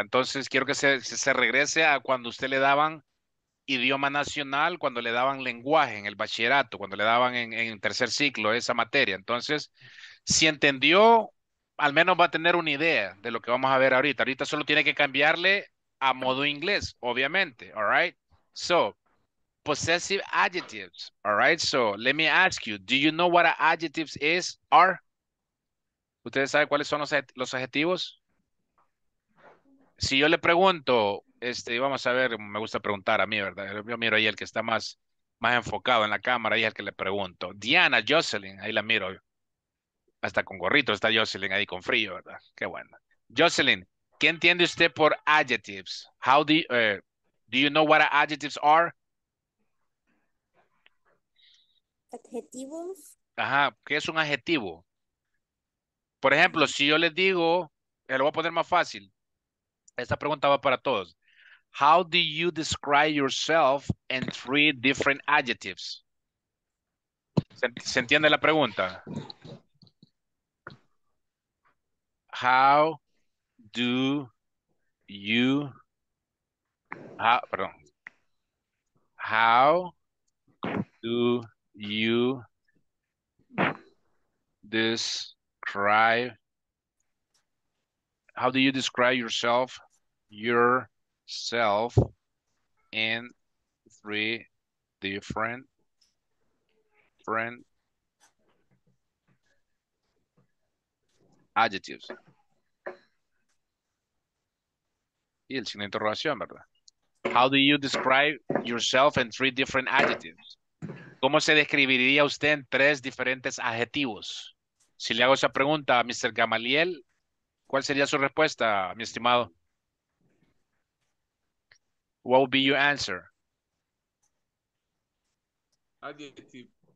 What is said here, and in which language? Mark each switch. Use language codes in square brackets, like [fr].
[es] Entonces quiero que se regrese a cuando usted le daban idioma nacional, cuando le daban lenguaje en el bachillerato, cuando le daban en tercer ciclo esa materia. Entonces, si entendió, al menos va a tener una idea de lo que vamos a ver ahorita. Ahorita solo tiene que cambiarle a modo inglés, obviamente. [en] All right? So, possessive adjectives. All right? So, let me ask you, do you know what adjectives are? [es] ¿Ustedes saben cuáles son los adjetivos? Si yo le pregunto... vamos a ver, me gusta preguntar a mí, ¿verdad? Yo miro ahí el que está más enfocado en la cámara, ahí es el que le pregunto. Diana, Jocelyn, ahí la miro. Hasta con gorrito está Jocelyn ahí con frío, ¿verdad? Qué bueno. Jocelyn, ¿qué entiende usted por adjectives? [en] How do you know what adjectives are? [es] Adjetivos. Ajá, ¿qué es un adjetivo? Por ejemplo, si yo les digo, lo voy a poner más fácil. Esta pregunta va para todos. [en] How do you describe yourself in three different adjectives? [es] ¿Se entiende la pregunta? [en] How do you... How do you describe... How do you describe yourself... yourself in three different, friend, adjectives. [es] Y el signo de interrogación, ¿verdad? [en] How do you describe yourself in three different adjectives? [es] ¿Cómo se describiría usted en tres diferentes adjetivos? Si le hago esa pregunta a Mr. Gamaliel, ¿cuál sería su respuesta, mi estimado? [en] What would be your answer? Adjective.